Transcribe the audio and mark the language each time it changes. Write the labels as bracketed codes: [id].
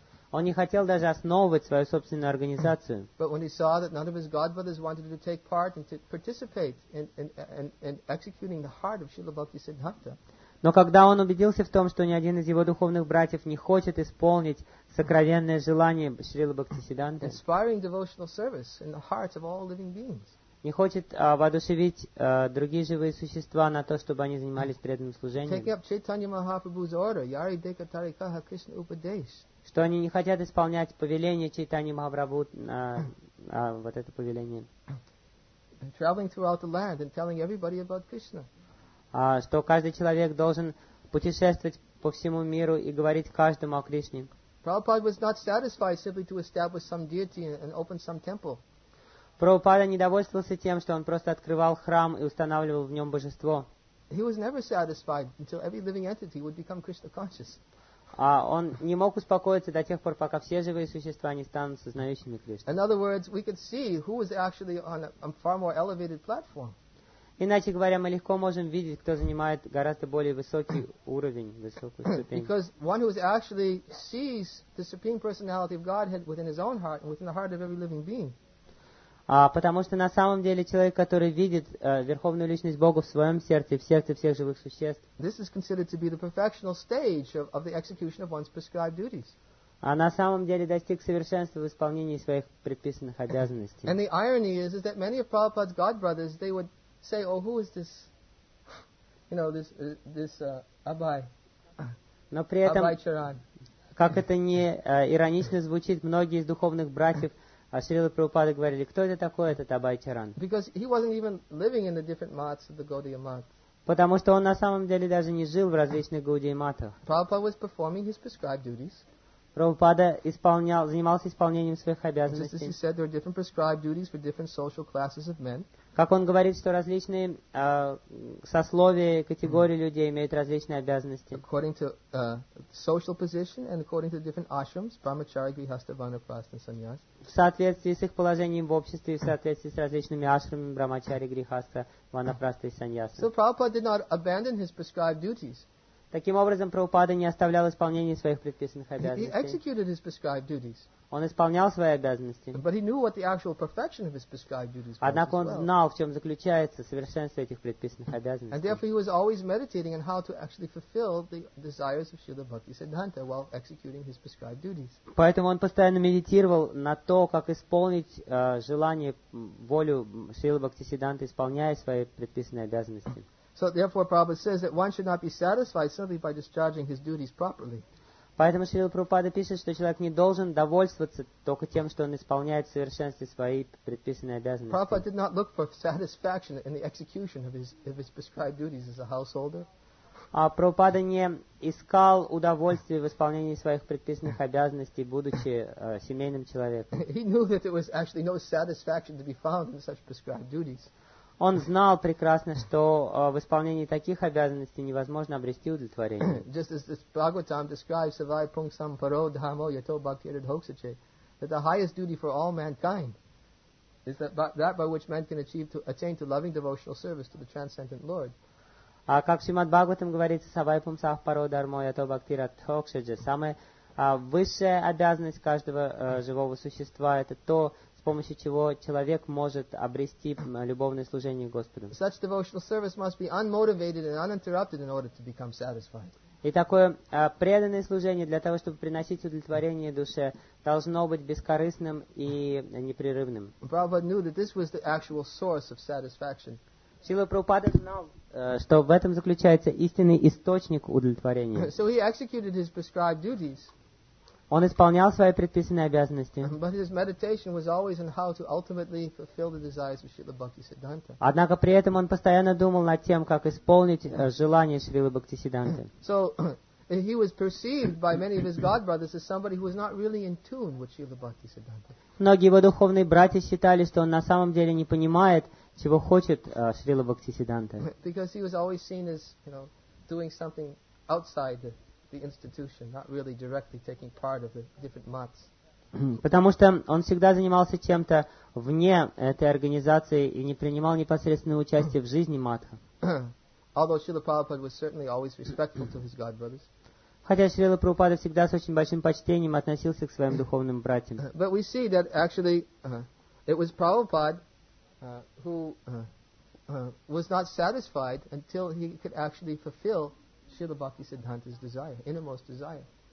[ru] Он не хотел даже основывать свою собственную организацию. [en] But when he saw that none of his godbrothers wanted to take part and to participate in executing the heart of Srila Bhakti Siddhanta. [ru] Но когда он убедился в том, что ни один из его духовных братьев не хочет исполнить сокровенное желание Шрилы Бхактисиддханты, [en] inspiring devotional service in the hearts of all living beings. [ru] Не хочет воодушевить другие живые существа на то, чтобы они занимались преданным служением. [en] Take up Chaitanya Mahaprabhu's order, [bn] Yari Deka Tarikaha Krishna Upadesh. [ru] Что они не хотят исполнять повеление Чайтани Махапрабху, вот это повеление. [en] Traveling throughout the land and telling everybody about Krishna. [ru] Что каждый человек должен путешествовать по всему миру и говорить каждому о Кришне. [en] Prabhupada was not satisfied simply to establish some deity and open some temple. [ru] Прабхупада не довольствовался тем, что он просто открывал храм и устанавливал в нем божество. [en] He was never satisfied until every living entity would become Krishna conscious. [ru] Он не мог успокоиться до тех пор, пока все живые существа не станут сознающими Кришну. [en] In other words, we could see who was actually on a far more elevated platform. [ru] Иначе говоря, мы легко можем видеть, кто занимает гораздо более высокий уровень, высокую ступень. [en] Because one who actually sees the supreme personality of Godhead within his own heart and within the heart of every living being. [ru] Потому что на самом деле человек, который видит Верховную Личность Бога в своем сердце, в сердце всех живых существ, [en] this is considered to be the perfectional stage of the execution of one's prescribed duties. [ru] А на самом деле достиг совершенства в исполнении своих предписанных обязанностей. [en] And the irony is that many of Prabhupada's godbrothers, they would say, oh, who is this, you know, this Abhai, [ru] но при этом, [en] Abhai Charan. [ru] Как это не иронично звучит, многие из духовных братьев А Шрилы Прабхупады говорили, кто это такой, этот Абай Чаран? [en] Because he wasn't even living in the different maths of the Gaudiya Math. [ru] Потому что он на самом деле даже не жил в различных Gaudiya Math. [en] Prabhupada was performing his prescribed duties. [ru] Прабхупада занимался исполнением своих обязанностей. [en] Just as he said, there are different prescribed duties for different social classes of men. [ru] Как он говорит, что различные сословия, категории людей имеют различные обязанности. [en] According to social position and according to different ashrams, brahmachari, grihastha, vanaprastha, sannyas. [ru] В соответствии с их положением в обществе, в соответствии с различными ашрамами, брахмачари, грихастха, ванапрастха и саньяса. [en] So Prabhupada did not abandon his prescribed duties. [ru] Таким образом, Прабхупада не оставлял исполнения своих предписанных обязанностей. [en] He executed his prescribed duties. [ru] Он исполнял свои обязанности. [en] But he knew what the actual perfection of his prescribed duties was. [ru] Однако он [en] as well. [ru] Знал, в чем заключается совершенство этих предписанных обязанностей. [en] And therefore he was always meditating on how to actually fulfill the desires of Srila Bhakti Siddhanta while executing his prescribed duties. [ru] Поэтому он постоянно медитировал на то, как исполнить желание, волю Шрилы Бхакти Сидданты, исполняя свои предписанные обязанности. [en] So therefore Prabhupada says that one should not be satisfied simply by discharging his duties properly. [ru] Поэтому Шрила Прабхупада пишет, что человек не должен довольствоваться только тем, что он исполняет в совершенстве свои предписанные обязанности. [en] Prabhupada did not look for satisfaction in the execution of his prescribed duties as a householder. [ru] Прабхупада не искал удовольствия в исполнении своих предписанных обязанностей, будучи семейным человеком. [en] He knew that there was actually no satisfaction to be found in such prescribed duties. [ru] Он знал прекрасно, что в исполнении таких обязанностей невозможно обрести удовлетворение. [en] Just as this Bhagavatam describes [sa] Savai Pung Sam Paro Dhamo Yato Bhaktirid Hoksache, [en] that the highest duty for all mankind is that by which men can attain to loving devotional service to the transcendent Lord. [ru] А как Шримад Бхагаватам говорится, [sa] Савай Пум Сах Паро Дармо Ято Бхактирид Хоксаче, [ru] самая высшая обязанность каждого живого существа – это то, с помощью чего человек может обрести любовное служение Господу. [en] Such devotional service must be unmotivated and uninterrupted in order to become satisfied. [ru] И такое преданное служение для того, чтобы приносить удовлетворение душе, должно быть бескорыстным и непрерывным. [en] Prabhupada knew that this was the actual source of satisfaction. [ru] Шрила Прабхупада знал, что в этом заключается истинный источник удовлетворения. [en] So he executed his prescribed duties. [ru] Он исполнял свои предписанные обязанности. [en] But his meditation was always on how to ultimately fulfill the desires of Srila Bhakti Siddhanta. [ru] Однако при этом он постоянно думал над тем, как исполнить желание Шрилы Бхакти Сидданты. [en] So he was perceived by many of his godbrothers as somebody who was not really in tune with Srila Bhakti Siddhanta. [ru] Многие его духовные братья считали, что он на самом деле не понимает, чего хочет Шрила Бхакти Сидданта. [en] Because he was always seen as, you know, doing something outside the institution, not really directly taking part of the different maths. [ru] Потому что он всегда занимался чем-то вне этой организации и не принимал непосредственного участия в жизни Мадхвы. [en] Although Srila Prabhupada was certainly always respectful to his god brothers. [ru] Хотя Шрила Прабхупада всегда с очень большим почтением относился к своим духовным братьям. [en] But we see that actually it was Prabhupada who was not satisfied until he could actually fulfill Srila Bhakti Siddhanta's desire, innermost desire.